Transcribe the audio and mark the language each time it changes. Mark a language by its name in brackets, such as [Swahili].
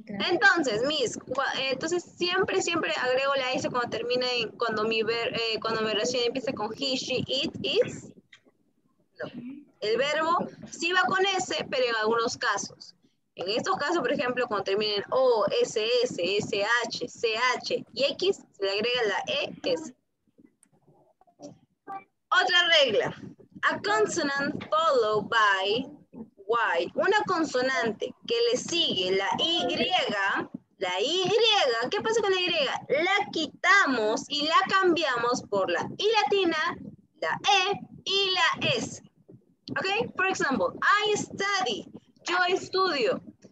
[Spanish] Entonces, Miss, entonces siempre, siempre agrego la S cuando termina en, cuando mi ver, cuando mi oración empieza con he, she, it, is. No. El verbo sí va con S, pero en algunos casos. En estos casos, por ejemplo, cuando termina en O, S, S, S, H, C, H y X, se le agrega la E, S. Otra regla. [English] A consonant followed by Y. [Spanish] Una consonante que le sigue la Y. La Y, ¿qué pasa con la Y? La quitamos y la cambiamos por la I latina, la E y la S. ¿Ok? Por ejemplo, [English] I study. [Spanish] Yo estudio.